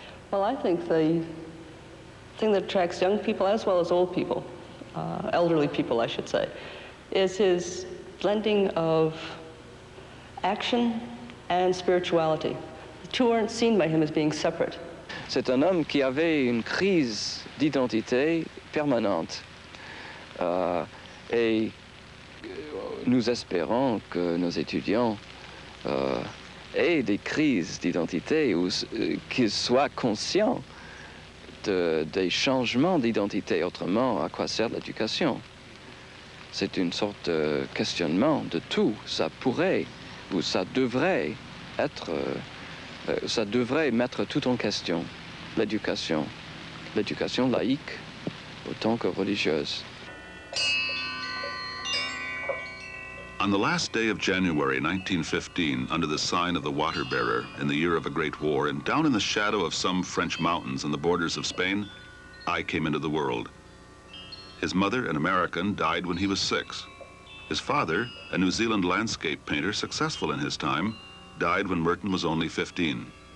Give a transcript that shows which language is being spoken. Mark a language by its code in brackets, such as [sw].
[en] Well, I think the thing that attracts young people as well as old people, elderly people, I should say, is his blending of action and spirituality. The two aren't seen by him as being separate. [fr] C'est un homme qui avait une crise d'identité permanente. Et nous espérons que nos étudiants et des crises d'identité ou qu'ils soient conscients des changements d'identité, autrement à quoi sert l'éducation? C'est une sorte de questionnement de tout. Ça pourrait ou ça devrait être ça devrait mettre tout en question l'éducation laïque autant que religieuse. [en] On the last day of January 1915, under the sign of the Water Bearer, in the year of a great war, and down in the shadow of some French mountains on the borders of Spain, I came into the world. His mother, an American, died when he was six. His father, a New Zealand landscape painter successful in his time, died when Merton was only 15.